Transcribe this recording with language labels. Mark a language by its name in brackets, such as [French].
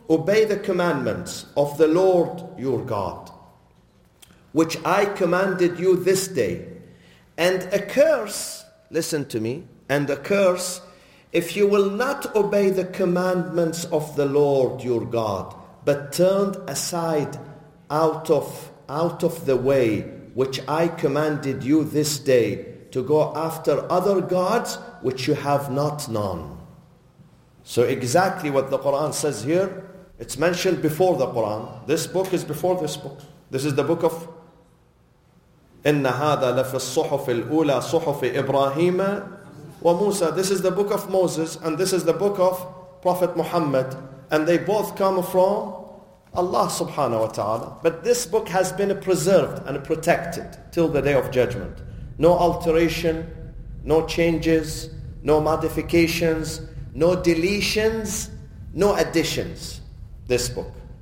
[English] obey the commandments of the Lord your God, which I commanded you this day, and a curse, listen to me, and a curse if you will not obey the commandments of the Lord your God, but turned aside out of the way which I commanded you this day to go after other gods which you have not known. So exactly what the Quran says here, it's mentioned before the Quran. This book is before this book. This is the book of [Arabic] إن هذا لفي الصحف الأولى صحف إبراهيم وموسى. [English] This is the book of Moses and this is the book of Prophet Muhammad, and they both come from Allah subhanahu wa ta'ala. But this book has been preserved and protected till the day of judgment. No alteration, no changes, no modifications, no deletions, no additions. This book.